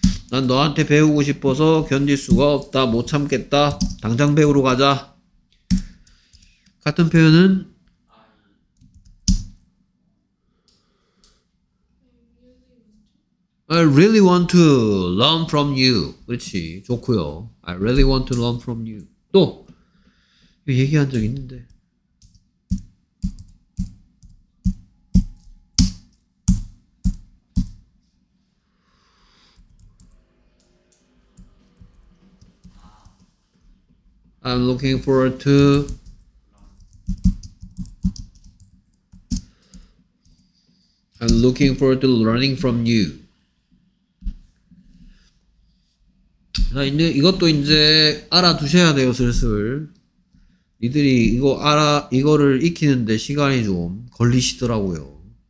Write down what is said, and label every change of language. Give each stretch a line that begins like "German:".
Korean: 난 너한테 배우고 싶어서 견딜 수가 없다. 못 참겠다. 당장 배우러 가자. 같은 표현은
English: I really want to learn from you.
Korean: 그렇지. 좋고요.
English: I really want to learn from you.
Korean: 또 얘기한 적 있는데
English: I'm looking forward to I'm looking forward to learning from you.
Korean: 자, 이제 이것도 이제 알아두셔야 돼요, 슬슬. 이들이 이거 알아 이거를 익히는데 시간이 좀 걸리시더라고요.